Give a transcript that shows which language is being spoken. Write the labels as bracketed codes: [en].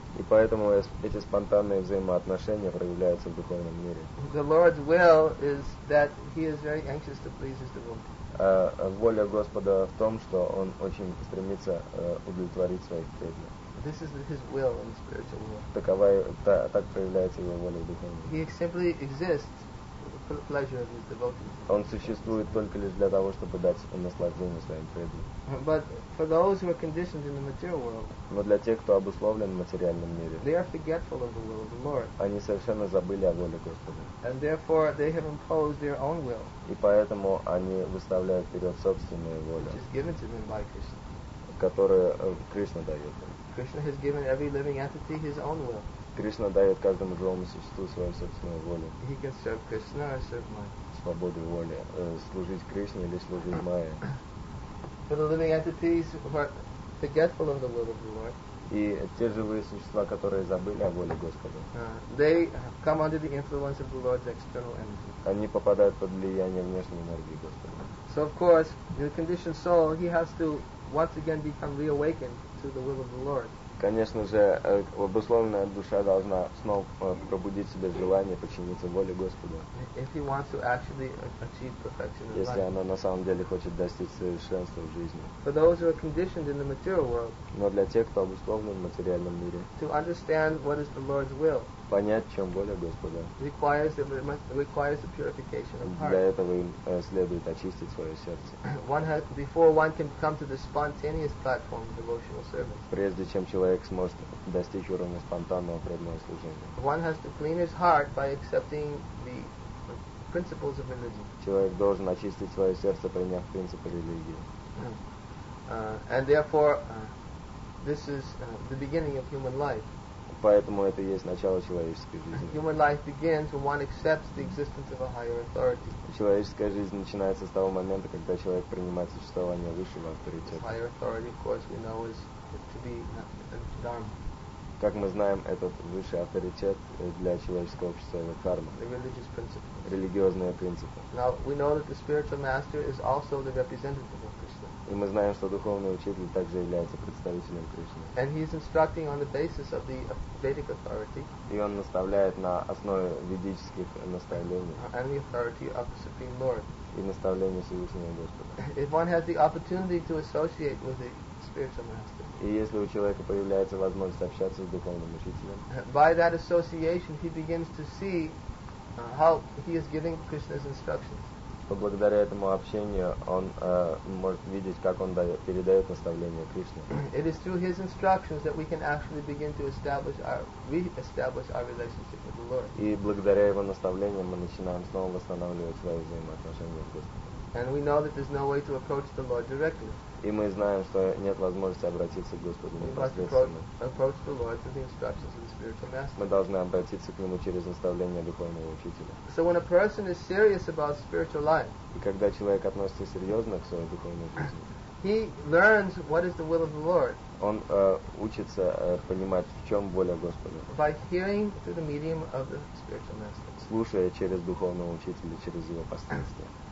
[ru] И поэтому эти спонтанные взаимоотношения проявляются в духовном мире. [en] The Lord's will is that He is very anxious to please His devotees. [ru] Воля Господа в том, что Он очень стремится удовлетворить своих преданных. [en] This is His will in the spiritual world. [ru] Так проявляется Его воля в духовном мире. [en] He simply exists for the pleasure of His devotees. [ru] Он существует только лишь для того, чтобы дать наслаждение своим преданным. [en] But for those who are conditioned in the material world, [ru] но для тех, кто обусловлен в материальном мире, [en] they are forgetful of the will of the Lord. [ru] Они совершенно забыли о воле Господа. [en] And therefore they have imposed their own will. [ru] И поэтому они выставляют вперед собственную волю, [en] which is given to them by Krishna. [ru] Которую Кришна дает им. [en] Krishna has given every living entity his own will. [ru] Кришна дает каждому живому существу свою собственную волю. [en] He can serve Krishna or serve Maya. [ru] Свободу воли. Служить Кришне или служить Майе. [en] For the living entities who are forgetful of the will of the Lord. [ru] И те живые существа, которые забыли о воле Господа. [en] They come under the influence of the Lord's external energy. [ru] Они попадают под влияние внешней энергии Господа. [en] So of course, the conditioned soul, he has to once again become reawakened to the will of the Lord. [ru] Конечно же, обусловленная душа должна снова пробудить в себе желание подчиниться воле Господа. [en] If he wants to actually achieve perfection in life. [ru] Если она на самом деле хочет достичь совершенства в жизни. [en] For those who are conditioned in the material world. [ru] Но для тех, кто обусловлен в материальном мире. [en] To understand what is the Lord's will. [ru] Понять, в чем воля Господа. [en] Requires the purification of heart. [ru] Для этого им следует очистить свое сердце. [en] Before one can come to the spontaneous platform of devotional service. [ru] Прежде чем человек сможет достичь уровня спонтанного преданного служения. [en] One has to clean his heart by accepting the principles of religion. [ru] Человек должен очистить свое сердце, приняв принципы религии. [en] And therefore, this is the beginning of human life. [ru] Поэтому это и есть начало человеческой жизни. [en] Human life begins when one accepts the existence of a higher authority. [ru] Человеческая жизнь начинается с того момента, когда человек принимает существование высшего авторитета. [en] Higher authority, of course, we know is to be Dharma. [ru] как мы знаем, этот высший авторитет для человеческого общества — это карма. [en] The religious principles. [ru] Религиозные принципы. [en] Now we know that the spiritual master is also the representative of Krishna. [ru] И мы знаем, что духовный учитель также является представителем Кришны. [en] And he is instructing on the basis of the Vedic authority. [ru] И он наставляет на основе ведических наставлений. [en] And the authority of the Supreme Lord. [ru] И наставления Всевышнего Господа. [en] If one has the opportunity to associate with the spiritual master. [ru] И если у человека появляется возможность общаться с духовным учителем. [en] By that association he begins to see how he is giving Krishna's instructions. [ru] Благодаря этому общению он может видеть, как он передает наставление Кришне. [en] It is through his instructions that we can actually begin to re-establish our relationship with the Lord. [ru] И благодаря его наставлениям мы начинаем снова восстанавливать свои взаимоотношения с Господом. [en] And we know that there's no way to approach the Lord directly. [ru] И мы знаем, что нет возможности обратиться к Господу непосредственно. [en] Approach the Lord through the instructions of the spiritual master. [ru] Мы должны обратиться к Нему через наставление духовного учителя. [en] So when a person is serious about spiritual life, [ru] и когда человек относится серьезно к своей духовной жизни, [en] he learns what is the will of the Lord. [ru] Он учится понимать, в чем воля Господа. [en] By hearing through the medium of the spiritual master. [ru] Слушая через духовного учителя, через его посредство.